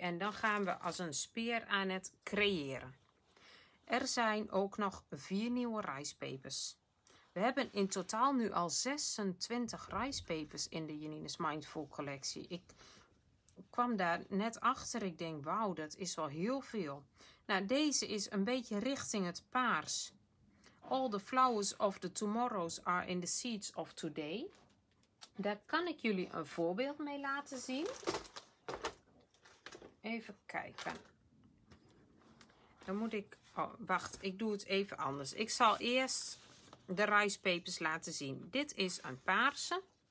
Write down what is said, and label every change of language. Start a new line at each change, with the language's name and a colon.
Dutch: En dan gaan we als een speer aan het creëren. Er zijn ook nog 4 nieuwe rice papers. We hebben in totaal nu al 26 rice papers in de Janine's Mindful collectie. Ik kwam daar net achter. Ik denk, wauw, dat is wel heel veel. Nou, deze is een beetje richting het paars.
English: All the flowers of the tomorrows are in the seeds of today.
Dutch: Daar kan ik jullie een voorbeeld mee laten zien. Even kijken. Dan moet ik... Oh, wacht, ik doe het even anders. Ik zal eerst de rice papers laten zien. Dit is een paarse.